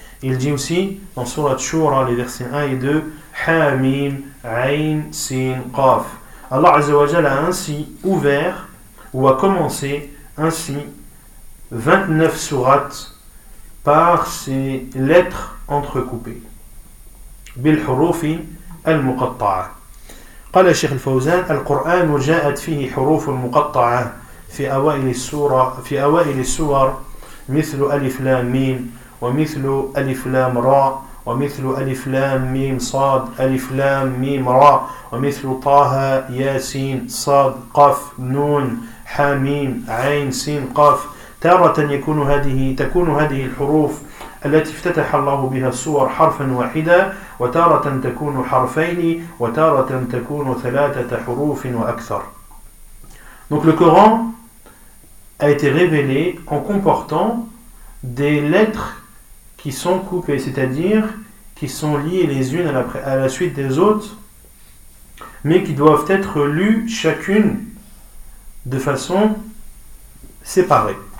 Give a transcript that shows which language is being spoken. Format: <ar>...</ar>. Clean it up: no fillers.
<fr>Il dit aussi dans surat Shura, les versets 1 et 2, Ha mim ayn sin qaf. Allah Azza wa Jal a ainsi ouvert ou a commencé ainsi 29 sourates par ces lettres entrecoupées.</fr> <ar>Bil hurufi al-muqatta'a. قال الشيخ الفوزان القرآن جاءت فيه حروف مقطعة في أوائل السورة في أوائل السور مثل ألف لام ميم ومثل ألف لام راء ومثل ألف لام ميم صاد ألف لام ميم راء ومثل طه ياسين صاد قاف نون حاميم عين سين قاف تارة تكون هذه الحروف التي افتتح الله بها السور حرفا واحدا وتارة تكون حرفين وتارة تكون ثلاثة حروف وأكثر.</ar> <fr>Donc le Coran a été révélé en comportant des lettres qui sont coupées, c'est-à-dire qui sont liées les unes à la suite des autres, mais qui doivent être lues chacune de façon séparée.</fr>